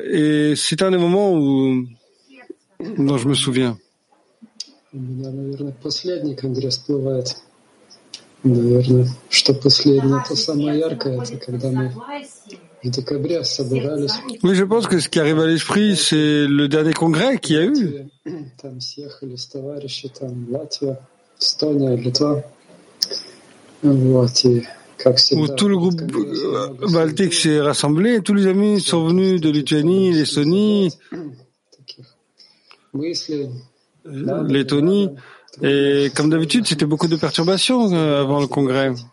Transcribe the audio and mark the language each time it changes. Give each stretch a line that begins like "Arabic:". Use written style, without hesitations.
French: Et c'est un des moments où, dont je me souviens. Oui, je pense que ce qui arrive à l'esprit, c'est le dernier congrès qu'il y a eu.
Russian: Там съехали с товарищи, там Латвия, Эстония, Литва. Вот, и
French: où tout le groupe baltique s'est rassemblé, tous les amis sont venus de Lituanie, l'Estonie, l'Lettonie, Et comme d'habitude, c'était beaucoup de perturbations avant le congrès.